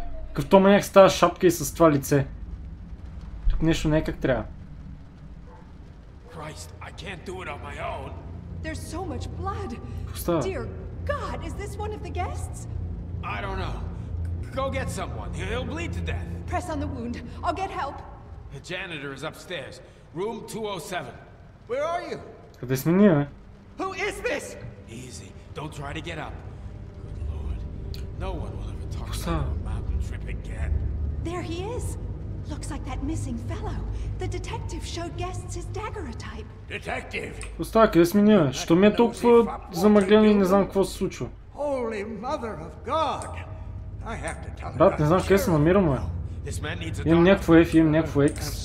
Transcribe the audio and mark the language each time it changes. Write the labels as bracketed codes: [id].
[bg] Какъв то маняк с тази шапка и с това лице? Тук нещо не е как трябва. [en] Christ, I can't do it on my own. There's so much blood. [bg] Какво става? [en] Dear God, is this one of the guests? I don't know. Go get someone. He'll bleed to death. Press on the wound. I'll get help. The janitor is upstairs, room 207. Where are you? [bg] Къде сме ние, бе? [en] Who is this? Easy, don't try to get up. Good lord, no one will ever talk about a mountain trip again. There he is. Looks like that missing fellow. The detective showed guests his daggerotype. Detective! [bg] Къде къде сме ние? Що ми е толкова замъглен и не знам какво се случва? [en] Holy mother of God! I have to tell you. [bg] Брат, не знам къде се намирам, бе. Имам някакво F, имам някакво X.